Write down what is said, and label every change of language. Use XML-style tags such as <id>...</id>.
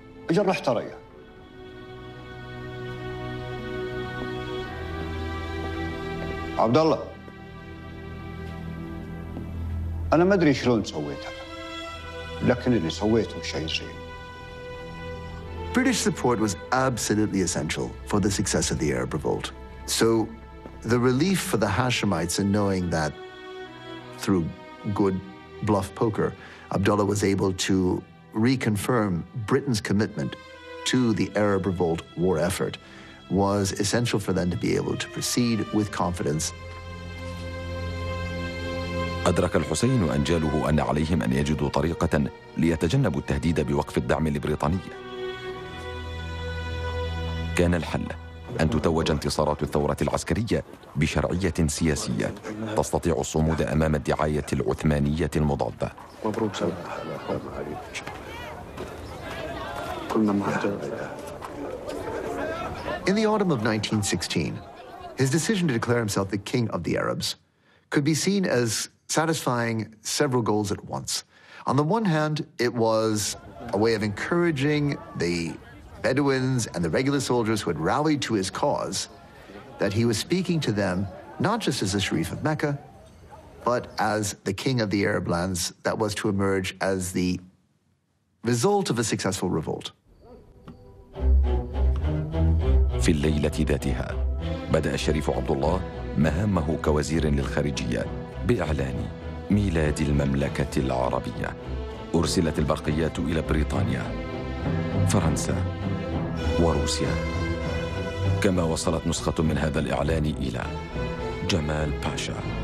<ar>اجل رحت ريا. عبد الله، انا ما ادري شلون سويتها، لكن اللي سويته شيء زين.</ar> <en>British support was absolutely essential for the success of the Arab revolt. So the relief for the Hashemites in knowing that through good bluff poker, Abdullah was able to reconfirm Britain's commitment to the Arab revolt war effort was essential for them to be able to proceed with confidence.</en> <ar>أدرك الحسين وأنجاله أن عليهم أن يجدوا طريقة ليتجنبوا التهديد بوقف الدعم البريطاني. كان الحل أن تتوج انتصارات الثورة العسكرية بشرعية سياسية تستطيع الصمود أمام الدعاية العثمانية المضادة. مبروك سلام.</ar> <en>In the autumn of 1916, his decision to declare himself the king of the Arabs could be seen as satisfying several goals at once. On the one hand, it was a way of encouraging the Bedouins and the regular soldiers who had rallied to his cause that he was speaking to them not just as the Sharif of Mecca, but as the king of the Arab lands that was to emerge as the result of a successful revolt.</en> <ar>في الليلة ذاتها بدأ الشريف عبد الله مهامه كوزير للخارجية بإعلان ميلاد المملكة العربية. أرسلت البرقيات إلى بريطانيا، فرنسا، وروسيا، كما وصلت نسخة من هذا الإعلان إلى جمال باشا.</ar>